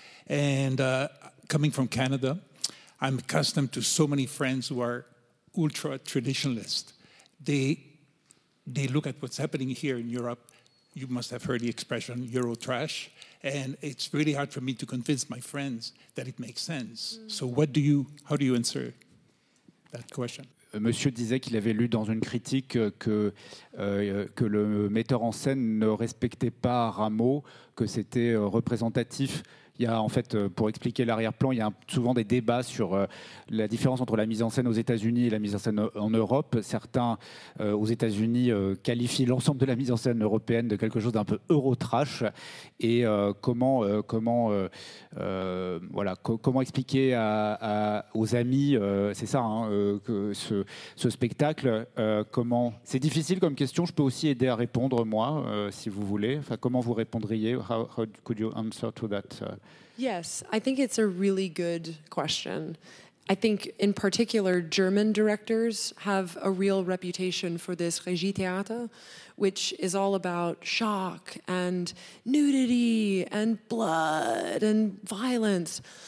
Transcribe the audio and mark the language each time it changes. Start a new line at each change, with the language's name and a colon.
English: And coming from Canada, I'm accustomed to so many friends who are ultra-traditionalist. They look at what's happening here in Europe. You must have heard the expression Euro-trash. And it's really hard for me to convince my friends that it makes sense. Mm. So how do you answer that question?
French: Monsieur disait qu'il avait lu dans une critique que le metteur en scène ne respectait pas Rameau, que c'était représentatif. Il y a, en fait, pour expliquer l'arrière-plan, il y a souvent des débats sur la différence entre la mise en scène aux États-Unis et la mise en scène en Europe. Certains aux États-Unis qualifient l'ensemble de la mise en scène européenne de quelque chose d'un peu euro-trash. Et comment expliquer aux amis, c'est ça, hein, que ce spectacle, comment... C'est difficile comme question. Je peux aussi aider à répondre, moi, si vous voulez. Enfin, comment vous répondriez?
English: How could you answer to that? Yes, I think it's a really good question. I think, in particular, German directors have a real reputation for this Regie Theater, which is all about shock and nudity and blood and violence.